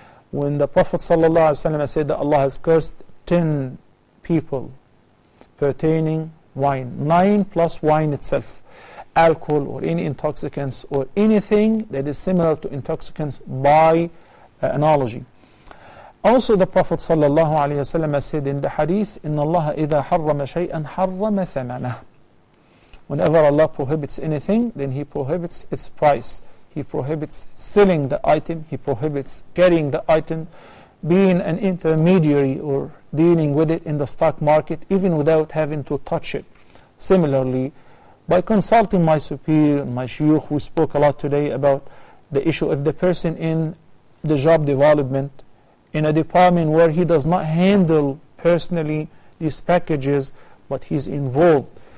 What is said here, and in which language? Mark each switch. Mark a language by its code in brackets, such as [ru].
[en] When the Prophet ﷺ said that Allah has cursed 10 people pertaining wine, 9 plus wine itself, alcohol or any intoxicants or anything that is similar to intoxicants by analogy. Also, the Prophet ﷺ said in the hadith, [ar] إِنَّ اللَّهَ إِذَا حَرَّمَ شَيْئًا حَرَّمَ ثَمَنَهُ. [en] Whenever Allah prohibits anything, then He prohibits its price. He prohibits selling the item. He prohibits carrying the item, being an intermediary or dealing with it in the stock market, even without having to touch it. Similarly, by consulting my superior, my shuyukh, we spoke a lot today about the issue of the person in the job development in a department where he does not handle personally these packages, but he's involved.